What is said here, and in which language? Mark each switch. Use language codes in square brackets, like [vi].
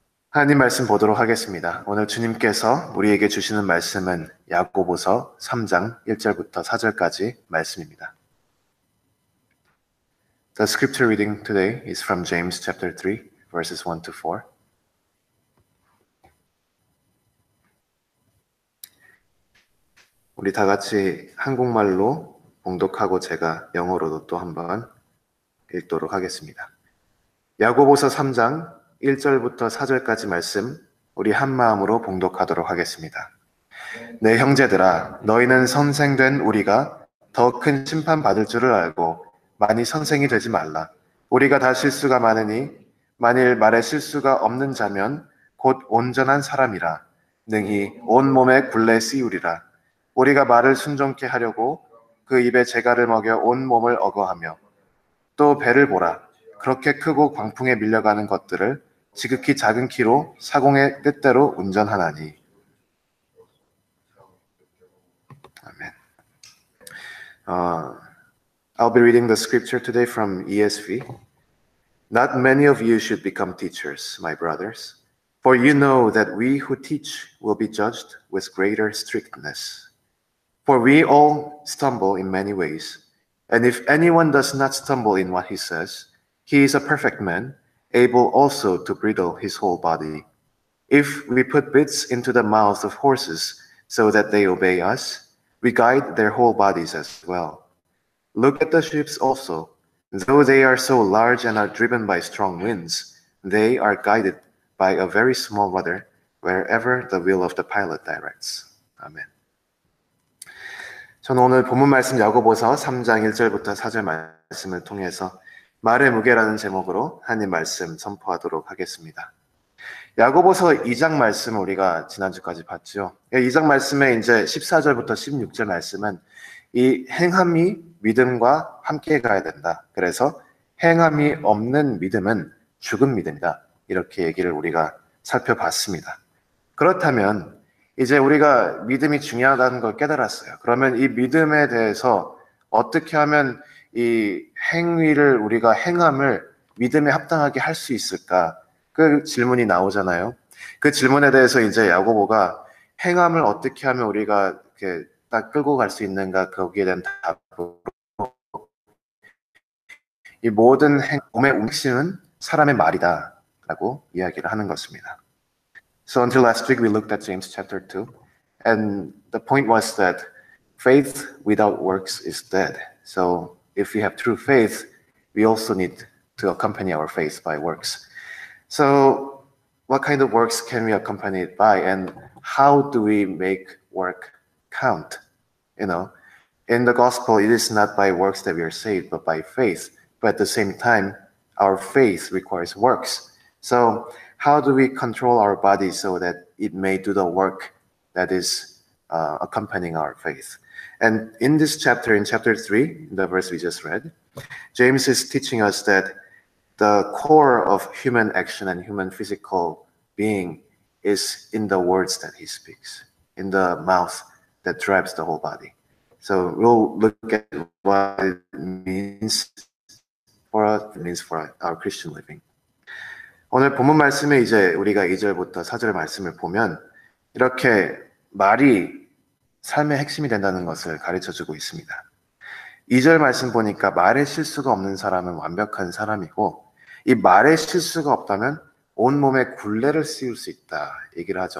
[ko] 하나님 말씀 보도록 하겠습니다. 오늘 주님께서 우리에게 주시는 말씀은 야고보서 3장 1절부터 4절까지 말씀입니다. [en] The scripture reading today is from James chapter 3, verses 1 to 4. [ko] 우리 다 같이 한국말로 봉독하고 제가 영어로도 또 한번 읽도록 하겠습니다. 야고보서 3장 1절부터 4절까지 말씀, 우리 한 마음으로 봉독하도록 하겠습니다. 내 형제들아, 너희는 선생된 우리가 더큰 심판받을 줄을 알고, 많이 선생이 되지 말라. 우리가 다 실수가 많으니, 만일 말에 실수가 없는 자면 곧 온전한 사람이라. 능히 온몸에 굴레 씌우리라. 우리가 말을 순종케 하려고 그 입에 재갈을 먹여 온몸을 억어하며, 또 배를 보라. 그렇게 크고 광풍에 밀려가는 것들을 지극히 작은 키로 사공의 뜻대로 운전하나니. [en] 아멘. I'll be reading the scripture today from ESV. Not many of you should become teachers, my brothers, for you know that we who teach will be judged with greater strictness. For we all stumble in many ways, and if anyone does not stumble in what he says, he is a perfect man, able also to bridle his whole body. If we put bits into the mouths of horses so that they obey us, we guide their whole bodies as well. Look at the ships also. Though they are so large and are driven by strong winds, they are guided by a very small rudder wherever the will of the pilot directs. Amen. [ko] 저는 오늘 본문 말씀 야고보서 3장 1절부터 4절 말씀을 통해서 말의 무게라는 제목으로 하나님 말씀 선포하도록 하겠습니다. 야고보서 2장 말씀 우리가 지난주까지 봤죠. 2장 말씀에 이제 14절부터 16절 말씀은 이 행함이 믿음과 함께 가야 된다. 그래서 행함이 없는 믿음은 죽은 믿음이다. 이렇게 얘기를 우리가 살펴봤습니다. 그렇다면 이제 우리가 믿음이 중요하다는 걸 깨달았어요. 그러면 이 믿음에 대해서 어떻게 하면 이 행위를 우리가 행함을 믿음에 합당하게 할수 있을까? 그 질문이 나오잖아요. 그 질문에 대해서 이제 야고보가 행함을 어떻게 하면 우리가 이렇게 딱 끌고 갈수 있는가? 거기에 대한 답으로 이 모든 몸의 움직임은 사람의 말이다 라고 이야기를 하는 것입니다. [en] So until last week we looked at James chapter 2 and the point was that faith without works is dead. So if we have true faith, we also need to accompany our faith by works. So, what kind of works can we accompany it by, and how do we make work count? You know, in the gospel, it is not by works that we are saved, but by faith. But at the same time, our faith requires works. So, how do we control our bodies so that it may do the work that is accompanying our faith? And in this chapter, in chapter 3, the verse we just read, James is teaching us that the core of human action and human physical being is in the words that he speaks, in the mouth that drives the whole body. So we'll look at what it means for us, it means for our Christian living. [ko] 오늘 본문 말씀에 이제 우리가 2절부터 4절 말씀을 보면 이렇게 말이 삶의 핵심이 된다는 것을 가르쳐 주고 있습니다. 2절 말씀 보니까 말에 실수가 없는 사람은 완벽한 사람이고, 이 말에 실수가 없다면 온몸에 굴레를 씌울 수 있다 얘기를 하죠.